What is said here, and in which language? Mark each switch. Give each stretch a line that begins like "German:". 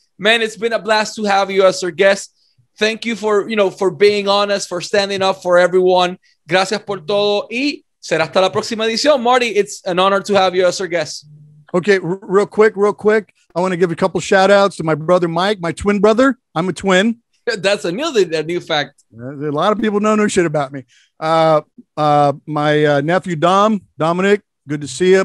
English: Man, it's been a blast to have you as our guest. Thank you for, you know, for being honest, for standing up for everyone.
Spanish: Gracias por todo y será hasta la próxima edición.
English: Marty, it's an honor to have you as our guest. Okay, real quick. I want to give a couple shout outs to my brother, Mike, my twin brother. I'm a twin. That's a new fact. A lot of people know no shit about me. My nephew, Dominic. Good to see you.